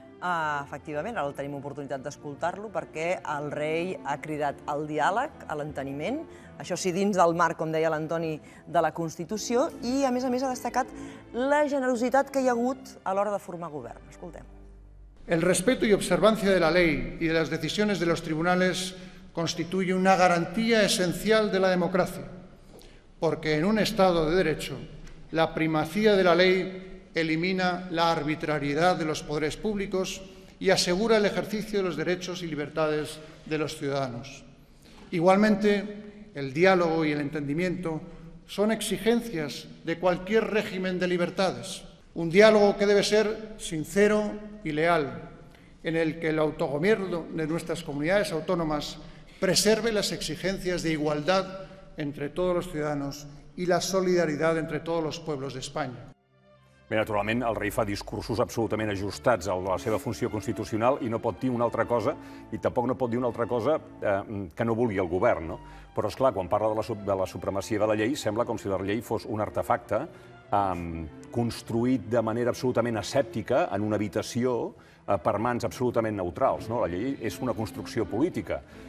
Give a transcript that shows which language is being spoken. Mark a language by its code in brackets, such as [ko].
[ca] Efectivament, ara tenim oportunitat d'escoltar-lo, perquè el rei ha cridat al diàleg, a l'enteniment, això sí, dins del marc, com deia l'Antoni, de la Constitució, i, a més, ha destacat la generositat que hi ha hagut a l'hora de formar govern. Escoltem. [es] El respeto y observancia de la ley y de las decisiones de los tribunales constituye una garantía esencial de la democracia, porque en un Estado de Derecho la primacía de la ley elimina la arbitrariedad de los poderes públicos y asegura el ejercicio de los derechos y libertades de los ciudadanos. Igualmente, el diálogo y el entendimiento son exigencias de cualquier régimen de libertades. Un diálogo que debe ser sincero y leal, en el que el autogobierno de nuestras comunidades autónomas preserve las exigencias de igualdad entre todos los ciudadanos y la solidaridad entre todos los pueblos de España. [ca] Bé, naturalment, el rei fa discursos absolutament ajustats a la seva funció constitucional i no pot dir una altra cosa, i tampoc no pot dir una altra cosa que no vulgui el govern, no? Però, esclar, quan parla de la supremacia de la llei, sembla com si la llei fos un artefacte construït de manera absolutament escèptica en una habitació per mans absolutament neutrals, no? La llei és una construcció política.